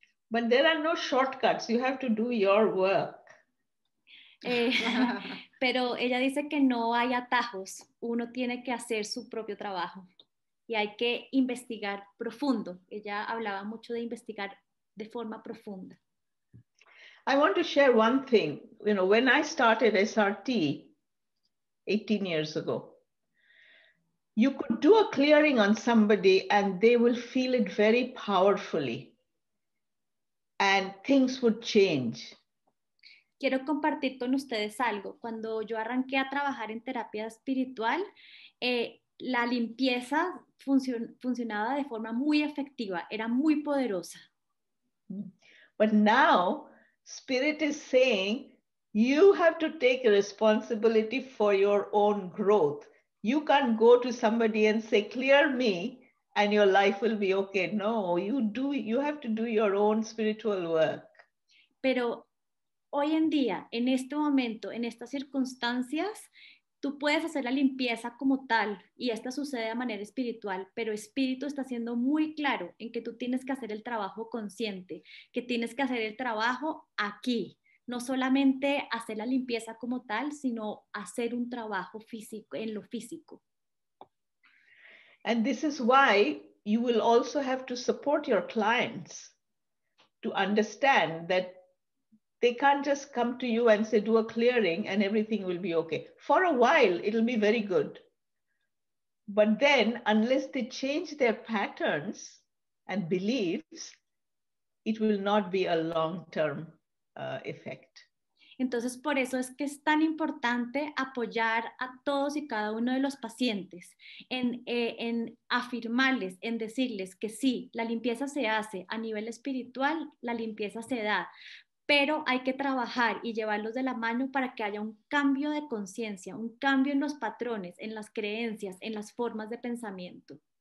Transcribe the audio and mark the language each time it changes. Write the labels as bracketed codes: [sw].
[en] But there are no shortcuts. You have to do your work. [es] pero ella dice que no hay atajos. Uno tiene que hacer su propio trabajo. y hay que investigar profundo. Ella hablaba mucho de investigar de forma profunda. [en] I want to share one thing. You know, when I started SRT 18 years ago, you could do a clearing on somebody and they will feel it very powerfully. And things would change. [es] Quiero compartir con ustedes algo. Cuando yo arranqué a trabajar en terapia espiritual, la limpieza funcionaba de forma muy efectiva. Era muy poderosa. [en] But now, Spirit is saying, you have to take responsibility for your own growth. You can't go to somebody and say, clear me, and your life will be okay. No, you have to do your own spiritual work. [es] Pero hoy en día, en este momento, en estas circunstancias, tú puedes hacer la limpieza como tal, y esta sucede de manera espiritual, pero Espíritu está siendo muy claro en que tú tienes que hacer el trabajo consciente, que tienes que hacer el trabajo aquí, no solamente hacer la limpieza como tal, sino hacer un trabajo físico, en lo físico. [en] And this is why you will also have to support your clients to understand that they can't just come to you and say, do a clearing and everything will be okay. For a while, it'll be very good. But then, unless they change their patterns and beliefs, it will not be a long-term effect. [es] Entonces, por eso es que es tan importante apoyar a todos y cada uno de los pacientes en afirmarles, en decirles que sí, la limpieza se hace a nivel espiritual, la limpieza se da. Pero hay que trabajar y llevarlos de la mano para que haya un cambio de conciencia, un cambio en los patrones, en las creencias, en las formas de pensamiento.